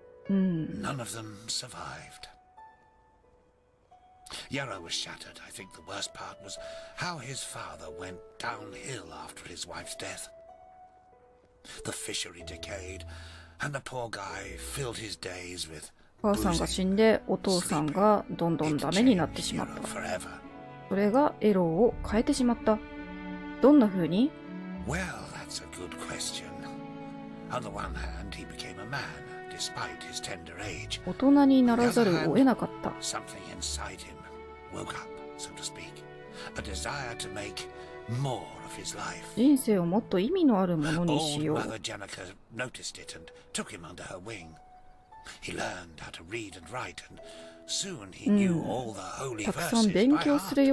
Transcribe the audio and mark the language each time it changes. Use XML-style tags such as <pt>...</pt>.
<en>None of them survived. Yarrow was shattered. I think the worst part was how his father went downhill after his wife's death. The fishery decayed, and the poor guy filled his days with</en> <ja>お母さんが死んで、お父さんがどんどんダメになってしまった。それがエローを変えてしまった。どんな風に？</ja> <en>Well, that's a good question. On the one hand, he became a man, despite his tender age.</en> <ja>大人にならざるを得なかった。</ja> <en>Something inside him woke up, so to speak. A desire to make more of his life.</en> <ja>人生をもっと意味のあるものにしよう。</ja> <en>Old Mother Janica noticed it and took him under her wing. He learned how to read and write, and soon he knew all the holy verses by heart.</en>